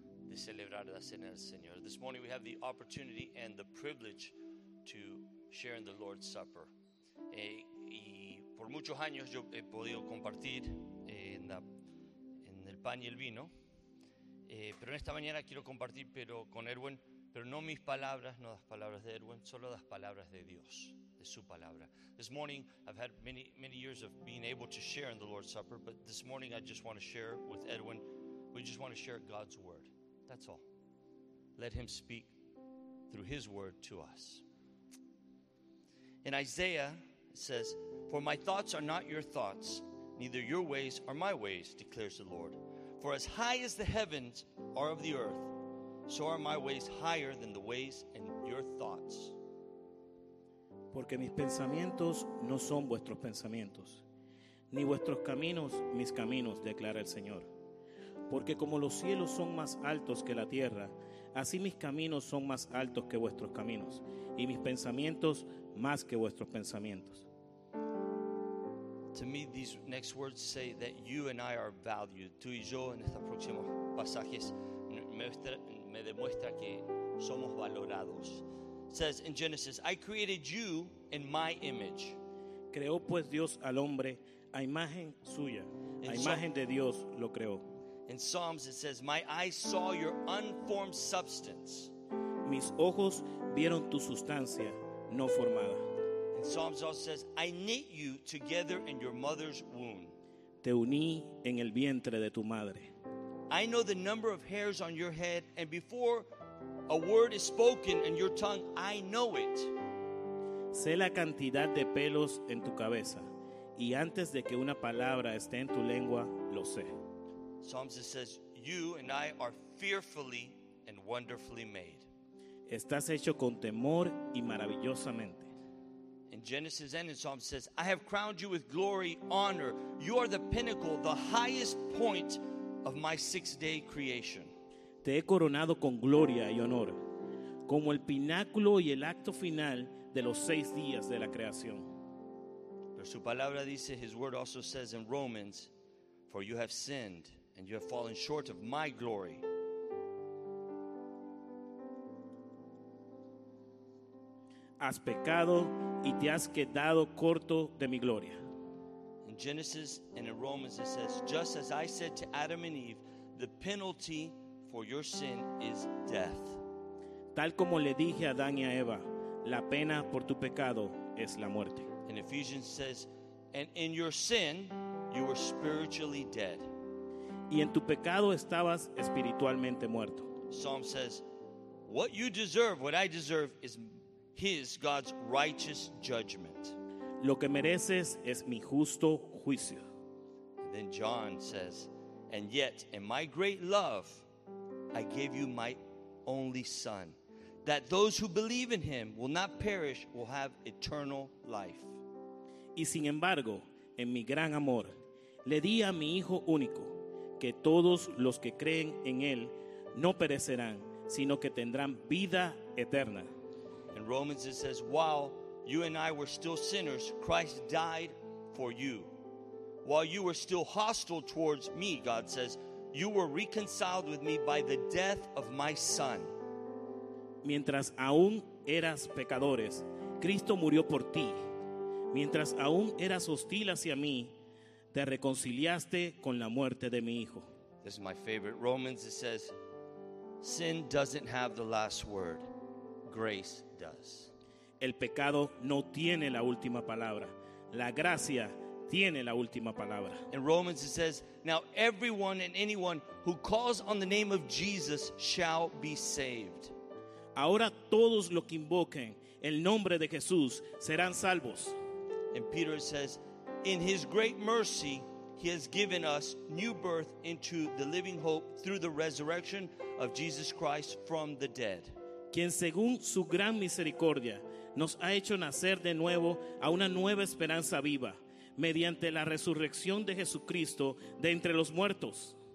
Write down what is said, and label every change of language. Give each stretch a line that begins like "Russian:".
English: This morning we have the opportunity and the privilege to share in the Lord's Supper.
Spanish: Y por muchos años yo he podido compartir en el pan y el vino, pero en esta mañana quiero compartir con Erwin, pero no mis palabras, no las palabras de Erwin, solo las palabras de Dios, de su palabra.
English: This morning I've had many years of being able to share in the Lord's Supper, but this morning I just want to share with Erwin, we just want to share God's word. That's all. Let him speak through his word to us. In Isaiah, it says, "For my thoughts are not your thoughts, neither your ways are my ways, declares the Lord. For as high as the heavens are of the earth, so are my ways higher than the ways and your thoughts.
Spanish: Porque mis pensamientos no son vuestros pensamientos, ni vuestros caminos mis caminos, declara el Señor. Porque como los cielos son más altos que la tierra, así mis caminos son más altos que vuestros caminos, y mis pensamientos más que vuestros pensamientos.
English: To me, these next words say that you and I are valued.
Spanish: Tú y yo, en estos próximos pasajes, me demuestra que somos valorados.
English: It says in Genesis, I created you in my image.
Spanish: Creó pues Dios al hombre a imagen suya, a imagen de Dios lo creó.
English: In Psalms it says, my eyes saw your unformed substance.
Spanish: Mis ojos vieron tu sustancia no formada.
English: In Psalms also says, I knit you together in your mother's womb.
Spanish: Te uní en el vientre de tu madre.
English: I know the number of hairs on your head, and before a word is spoken in your tongue, I know it.
Spanish: Sé la cantidad de pelos en tu cabeza, y antes de que una palabra esté en tu lengua, lo sé.
English: Psalms it says, you and I are fearfully and wonderfully made.
Spanish: Estás hecho con temor y maravillosamente.
English: In Genesis and in Psalms it says, I have crowned you with glory, honor. You are the pinnacle, the highest point of my six-day creation.
Spanish: Te he coronado con gloria y honor, como el pináculo y el acto final de los seis días de la creación. Pero su palabra dice,
English: his word also says in Romans, for you have sinned and you have fallen short of my glory.
Spanish: Has pecado y te has quedado corto de mi gloria.
English: In Genesis and in Romans it says, just as I said to Adam and Eve, the penalty for your sin is death.
Spanish: Tal como le dije a Adán y a Eva, la pena por tu pecado es la muerte.
English: In Ephesians says, and in your sin you were spiritually dead.
Spanish: Y en tu pecado estabas espiritualmente muerto.
English: Psalm says, what you deserve, what I deserve, is his, God's righteous judgment.
Spanish: Lo que mereces es mi justo juicio.
English: And then John says, and yet, in my great love, I gave you my only son, that those who believe in him will not perish, will have eternal life.
Spanish: Y sin embargo, en mi gran amor, le di a mi hijo único, que todos los que creen en él no perecerán, sino que tendrán vida eterna.
English: In Romans it says, while you and I were still sinners, Christ died for you. While you were still hostile towards me, God says, You were reconciled with me by the death of my son.
Spanish: Mientras aún eras pecadores, Cristo murió por ti. Mientras aún eras hostil hacia mí, te reconciliaste con la muerte de mi hijo.
English: This is my favorite. Romans, it says, sin doesn't have the last word. Grace does.
Spanish: El pecado no tiene la última palabra. La gracia tiene la última palabra.
English: In Romans it says, now everyone and anyone who calls on the name of Jesus shall be saved.
Spanish: Ahora todos los que invoquen el nombre de Jesús serán salvos.
English: And Peter says, in his great mercy, he has given us new birth into the living hope through the resurrection of Jesus Christ from the dead.
Spanish: Quien según su gran misericordia nos ha hecho nacer de nuevo a una nueva esperanza viva mediante la resurrección de Jesucristo de entre los muertos.